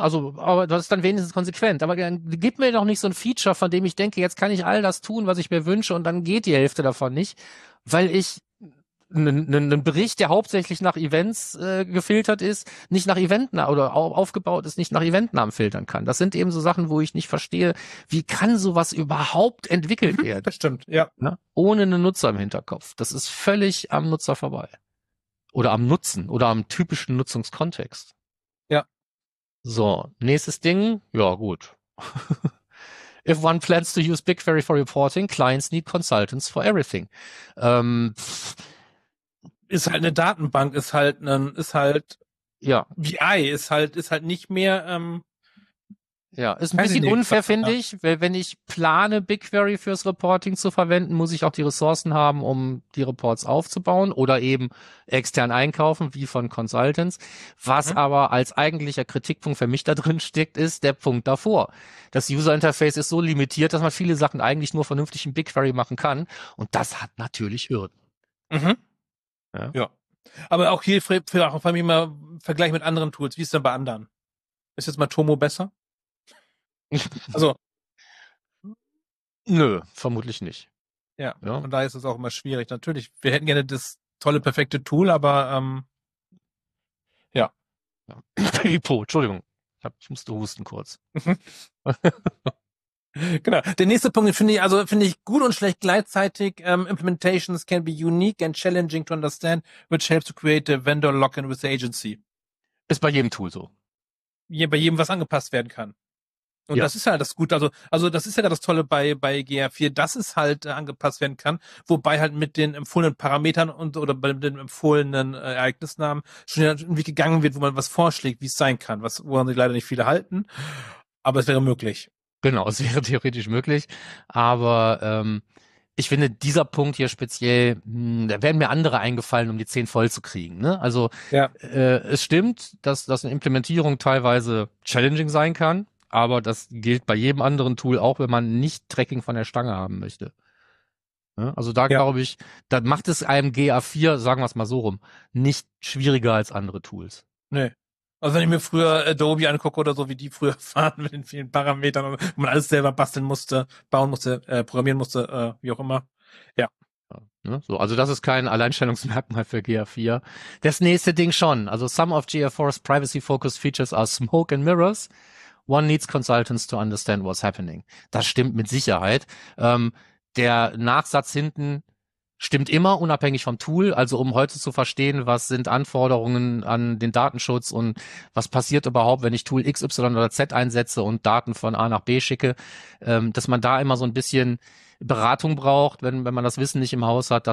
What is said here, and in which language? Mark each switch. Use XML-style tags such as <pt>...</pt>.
<de>Also, aber das ist dann wenigstens konsequent. Aber gib mir doch nicht so ein Feature, von dem ich denke, jetzt kann ich all das tun, was ich mir wünsche, und dann geht die Hälfte davon nicht, weil ich einen Bericht, der hauptsächlich nach Events gefiltert ist, nicht nach Eventen oder aufgebaut ist, nicht nach Eventnamen filtern kann. Das sind eben so Sachen, wo ich nicht verstehe, wie kann sowas überhaupt entwickelt werden? Das stimmt, ja. Ne? Ohne einen Nutzer im Hinterkopf. Das ist völlig am Nutzer vorbei. Oder am Nutzen oder am typischen Nutzungskontext. So, nächstes Ding, ja gut.</de> <en>If one plans to use BigQuery for reporting, clients need consultants for everything.</en> <de>Ist halt eine Datenbank, ist halt ein, ist halt ja. BI, ist halt nicht mehr. Ja, ist ein bisschen unfair, finde ich, weil wenn ich plane, BigQuery fürs Reporting zu verwenden, muss ich auch die Ressourcen haben, um die Reports aufzubauen oder eben extern einkaufen, wie von Consultants. Was aber als eigentlicher Kritikpunkt für mich da drin steckt, ist der Punkt davor. Das User Interface ist so limitiert, dass man viele Sachen eigentlich nur vernünftig in BigQuery machen kann. Und das hat natürlich Hürden. Mhm. Ja. Aber auch hier für auch vor allem mal Vergleich mit anderen Tools. Wie ist denn bei anderen? Ist jetzt mal Tomo besser? Also, nö, vermutlich nicht. Ja, ja, und da ist es auch immer schwierig. Natürlich, wir hätten gerne das tolle, perfekte Tool, aber ja. Hippo, Entschuldigung, ich musste husten kurz. Genau, der nächste Punkt, finde ich gut und schlecht gleichzeitig.</de> <en>Implementations can be unique and challenging to understand, which helps to create a vendor lock-in with the agency.</en> <de>Ist bei jedem Tool so. Ja, bei jedem, was angepasst werden kann. Und Das ist ja das Gute, also das ist ja das Tolle bei GA4, dass es halt angepasst werden kann, wobei halt mit den empfohlenen Parametern und oder bei den empfohlenen Ereignisnamen schon irgendwie gegangen wird, wo man was vorschlägt, wie es sein kann, woran sich leider nicht viele halten, aber es wäre möglich. Genau, es wäre theoretisch möglich, aber ich finde, dieser Punkt hier speziell, da werden mir andere eingefallen, um die 10 voll zu kriegen. Ne? Also ja. Es stimmt, dass eine Implementierung teilweise challenging sein kann, aber das gilt bei jedem anderen Tool auch, wenn man nicht Tracking von der Stange haben möchte. Also da glaube ich, da macht es einem GA4, sagen wir es mal so rum, nicht schwieriger als andere Tools. Nee. Also wenn ich mir früher Adobe angucke oder so, wie die früher fahren mit den vielen Parametern und man alles selber basteln musste, bauen musste, programmieren musste, wie auch immer. Ja. So, also das ist kein Alleinstellungsmerkmal für GA4. Das nächste Ding schon.</de> <en>Also some of GA4's privacy-focused features are smoke and mirrors. One needs consultants to understand what's happening.</en> <de>Das stimmt mit Sicherheit. Der Nachsatz hinten stimmt immer, unabhängig vom Tool. Also um heute zu verstehen, was sind Anforderungen an den Datenschutz und was passiert überhaupt, wenn ich Tool X, Y oder Z einsetze und Daten von A nach B schicke, dass man da immer so ein bisschen Beratung braucht, wenn man das Wissen nicht im Haus hat.</de>